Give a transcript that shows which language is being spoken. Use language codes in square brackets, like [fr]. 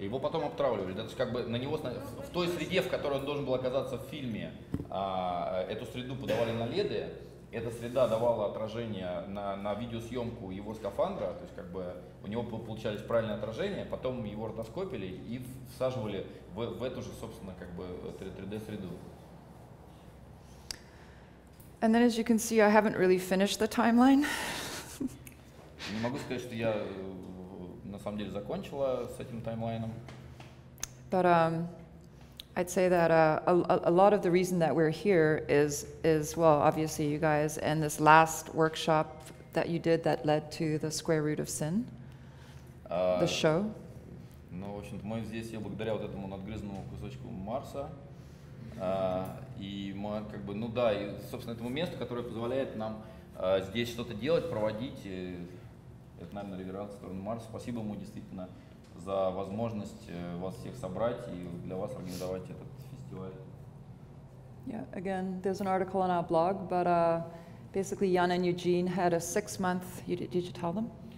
[ru] Его потом обтравливали. То есть как бы на него в той среде, в которой он должен был оказаться в фильме, эту среду подавали на леды. Эта среда давала отражение на видеосъемку его скафандра. То есть как бы у него получались правильные отражения. Потом его ротоскопили и всаживали в эту же, собственно, как бы 3D-среду. [en] And then, as you can see, I haven't really finished the timeline. [ru] Не могу сказать, что я на самом деле закончила с этим таймлайном. [en] But I'd say that a lot of the reason that we're here is well, obviously, you guys and this last workshop that you did that led to the Square Root of Sin, the show. [ru] Ну, в общем-то, мы здесь благодаря вот этому надгрызному кусочку Марса. И мы как бы, ну да, и, собственно, этому месту, которое позволяет нам здесь что-то делать, проводить. Это, наверное, реверанс в сторону Марса. Спасибо ему действительно за возможность вас всех собрать и для вас организовать этот фестиваль. [en] Yeah, again, there's an article on our blog, but basically Jan and Eugene had a 6-month, did you tell them?